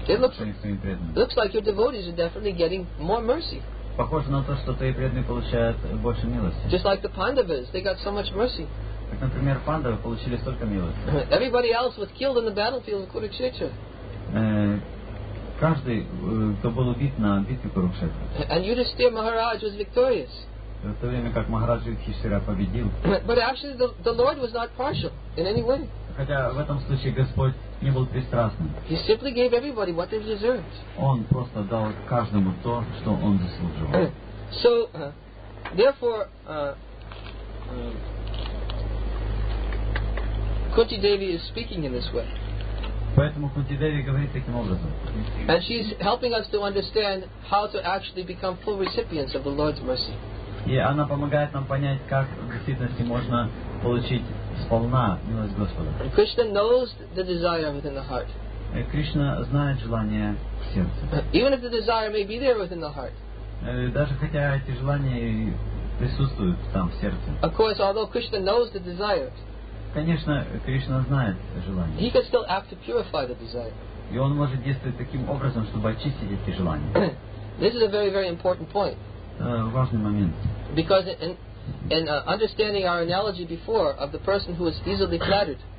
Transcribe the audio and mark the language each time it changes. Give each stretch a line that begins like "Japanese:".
English: It looks like your devotees are definitely getting more mercy.
Russian: Похоже на то, что твои преданные получают больше милости.
English: Just like the Pandavas, they got so much mercy.
Russian: Как, например, пандавы получили столько милости.
English: Everybody else was killed in the battlefield of Kurukshetra.
Russian: Каждый, кто был убит на битве Курукшетра.
English: And Yudhishthira Maharaj was victorious.
Russian: В то время как Махарадж Юдхиштхира победил.
English: But actually the Lord was not partial in any way.
Russian: Хотя в этом случае Господь не был пристрастным.
English: He simply gave everybody what they deserved.
Russian: Он просто дал каждому то, что он заслужил.
English: So, therefore, Kunti Devi is speaking in this way.
Russian: Поэтому Кунти Деви говорит таким образом.
English: And she's helping us to understand how to actually become full recipients of the Lord's mercy.
Russian: И она помогает нам понять, как в действительности можно получить сполна милость Господа.
English: And Krishna knows the desire within the heart.
Russian: Кришна знает желание в сердце.
English: Even if the desire may be there within the heart.
Russian: Даже хотя эти желания присутствуют там в сердце.
English: Of course, although Krishna knows the desire.
Russian: Конечно, Кришна знает желание.
English: He can still act to purify the desire.
Russian: И он может действовать таким образом, чтобы очистить эти желания.
English: This is a very, very important point.
Russian: Важный момент.
English: Because in understanding our analogy before of the person who is easily flattered.